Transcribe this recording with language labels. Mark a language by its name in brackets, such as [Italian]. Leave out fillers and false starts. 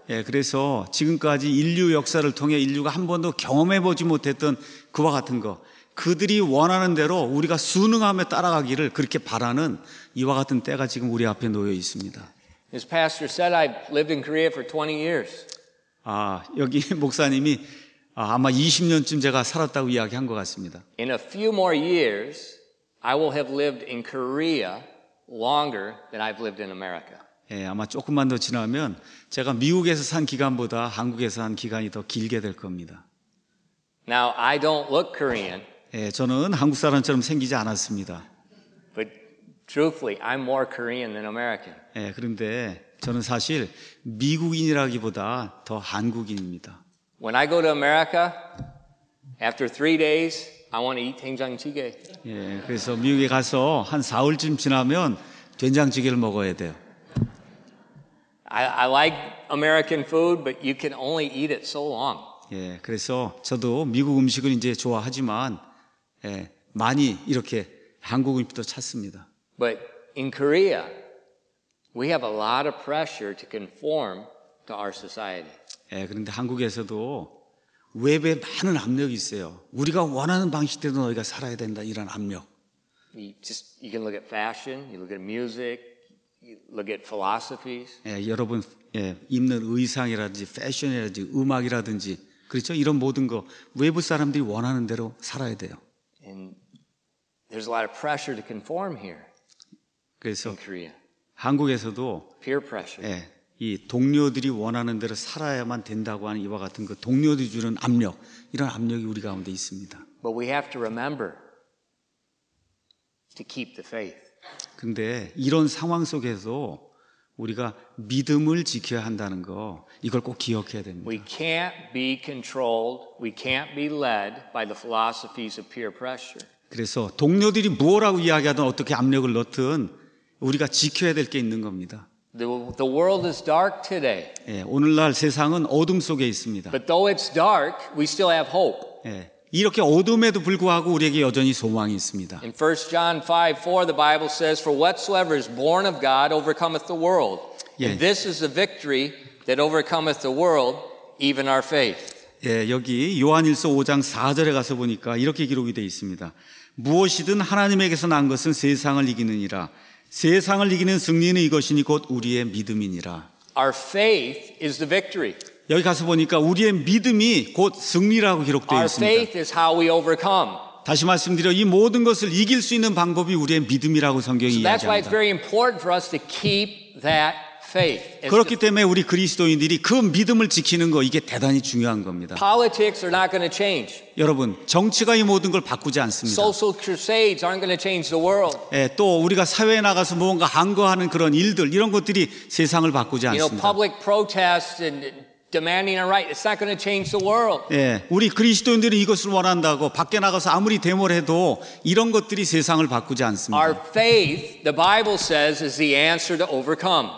[Korean] 예, 그래서 지금까지 인류 역사를 통해 인류가 한 번도 경험해 보지 못했던 그와 같은 거 그들이 원하는 대로 우리가 순응함에 따라가기를 그렇게 바라는 이와 같은 때가 지금 우리 앞에 놓여 있습니다. [English] His pastor said I lived in Korea for 20 years. [Korean] 아, 여기 목사님이 아마 20년쯤 제가 살았다고 이야기한 것 같습니다. [English] In a few more years, I will have lived in Korea longer than I've lived in America. [Korean] 예, 아마 조금만 더 지나면 제가 미국에서 산 기간보다 한국에서 산 기간이 더 길게 될 겁니다. [English] Now I don't look Korean. [Korean] 예, 저는 한국 사람처럼 생기지 않았습니다. [English] But truthfully, I'm more Korean than American. [Korean] 예, 그런데 저는 사실 미국인이라기보다 더 한국인입니다. [English] When I go to America, after 3 days, I want to eat 된장찌개. [Korean] 예, 그래서 미국에 가서 한 사흘쯤 지나면 된장찌개를 먹어야 돼요. [English] I like American food, but you can only eat it so long. [Korean] 예, 그래서 저도 미국 음식을 이제 좋아하지만 예, 많이 이렇게 한국 음식도 찾습니다. [English] But in Korea, we have a lot of pressure to conform to our society. [Korean] 예, 그런데 한국에서도 외부에 많은 압력이 있어요. 우리가 원하는 방식대로 너희가 살아야 된다 이런 압력. [English] You can look at fashion, you look at music, you look at philosophies. [Korean] 예, 여러분 예, 입는 의상이라든지 패션이라든지 음악이라든지 그렇죠? 이런 모든 거 외부 사람들이 원하는 대로 살아야 돼요. [English] And there's a lot of pressure to conform here. [Korean] 그래서 [English] in Korea. [Korean] 한국에서도 [English] peer pressure. [Korean] 예. 이 동료들이 원하는 대로 살아야만 된다고 하는 이와 같은 그 동료들이 주는 압력 이런 압력이 우리 가운데 있습니다. [English] But we have to remember to keep the faith. [Korean] 근데 이런 상황 속에서 우리가 믿음을 지켜야 한다는 거 이걸 꼭 기억해야 됩니다. [English] We can't be controlled. We can't be led by the philosophies of peer pressure. [Korean] 그래서 동료들이 뭐라고 이야기하든 어떻게 압력을 넣든 우리가 지켜야 될 게 있는 겁니다. [English] The world is dark today. [Korean] 예, 오늘날 세상은 어둠 속에 있습니다. [English] But though it's dark, we still have hope. [Korean] 예, 이렇게 어둠에도 불구하고 우리에게 여전히 소망이 있습니다. [English] In 1 John 5:4, the Bible says, "For whatsoever is born of God overcometh the world." [Korean] 예. [English] And this is the victory that overcometh the world, even our faith. [Korean] 예, 여기 요한일서 5장 4절에 가서 보니까 이렇게 기록이 돼 있습니다. 무엇이든 하나님에게서 난 것은 세상을 이기느니라. 세상을 이기는 승리는 이것이니 곧 우리의 믿음이니라. [English] Our faith is the victory. [Korean] 여기 가서 보니까 우리의 믿음이 곧 승리라고 기록되어 있습니다. [English] Our faith is how we overcome. [Korean] 다시 말씀드려 이 모든 것을 이길 수 있는 방법이 우리의 믿음이라고 성경이 [English] so [Korean] 이야기합니다. [English] That's why it's very important for us to keep that faith. [Korean] 그렇기 때문에 우리 그리스도인들이 그 믿음을 지키는 거 이게 대단히 중요한 겁니다. [English] Politics are not going to change. [Korean] 여러분, 정치가 이 모든 걸 바꾸지 않습니다. [English] Social crusades aren't going to change the world. [Korean] 예, 또 우리가 사회에 나가서 뭔가 항거하는 그런 일들 이런 것들이 세상을 바꾸지 않습니다. [English] You know, public protests and demanding a right, it's not going to change the world. [Korean] 예, 우리 그리스도인들이 이것을 원한다고 밖에 나가서 아무리 데모를 해도 이런 것들이 세상을 바꾸지 않습니다. [English] Our faith, the Bible says, is the answer to overcome.